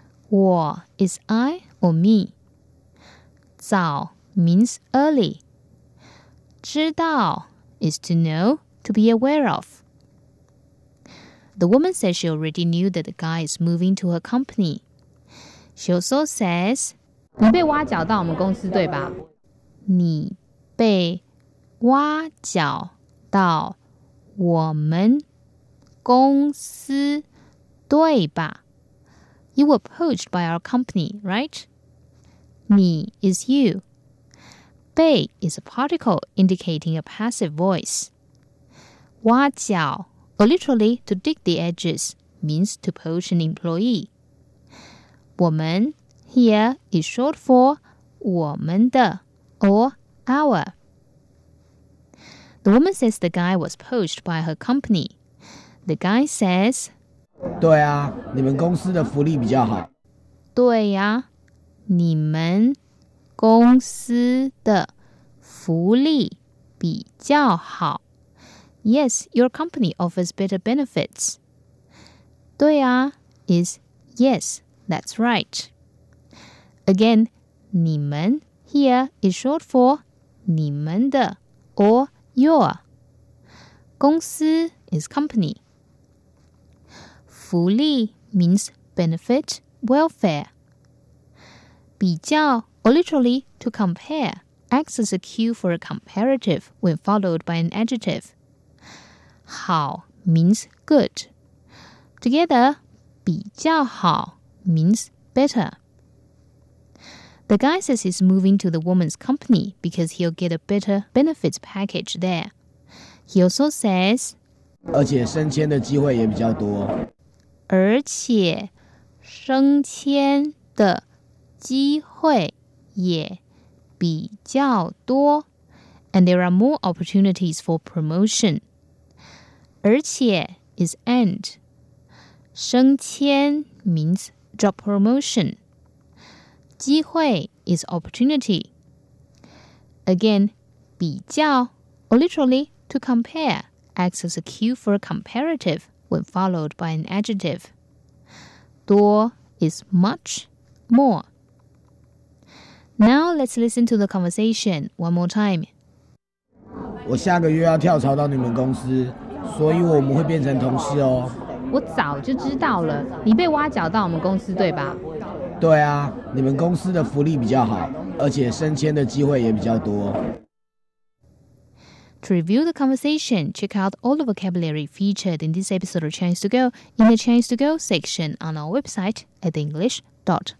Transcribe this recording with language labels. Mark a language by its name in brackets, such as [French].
[English] 我 is I or me. 早 means early. 知道 is to know, to be aware of. The woman says she already knew that the guy is moving to her company. She also says, [Chinese] 你被挖角到我们公司对吧？你被挖角到我们公司对吧？ [English] You were poached by our company, right? 你 is you. 被 is a particle indicating a passive voice. 挖角 or literally to dig the edges, means to poach an employee. 我们 here is short for 我们的 or our. The woman says the guy was poached by her company. The guy says, [Chinese] 对啊，你们公司的福利比较好。对呀，你们公司的福利比较好。 [English] Yes, your company offers better benefits. 对啊 is yes, that's right. Again, 你们 here is short for 你们的 or your. 公司 is company. 福利 means benefit, welfare. 比较or literally, to compare, acts as a cue for a comparative when followed by an adjective. 好 means good. Together, 比较好 means better. The guy says he's moving to the woman's company because he'll get a better benefits package there. He also says, [Chinese] 而且升迁的机会也比较多。 [English] 而且升迁的机会也比较多 and there are more opportunities for promotion. 而且 is and. 升迁 means job promotion. 机会 is opportunity. Again, 比较 or literally to compare acts as a cue for a comparative when followed by an adjective. 多 is much, more. Now let's listen to the conversation one more time. [Chinese] 我下个月要跳槽到你们公司，所以我们会变成同事哦。我早就知道了，你被挖角到我们公司对吧？对啊，你们公司的福利比较好，而且升迁的机会也比较多。 [English] To review the conversation, check out all the vocabulary featured in this episode of Chinese to Go in the Chinese to Go section on our website at english.com.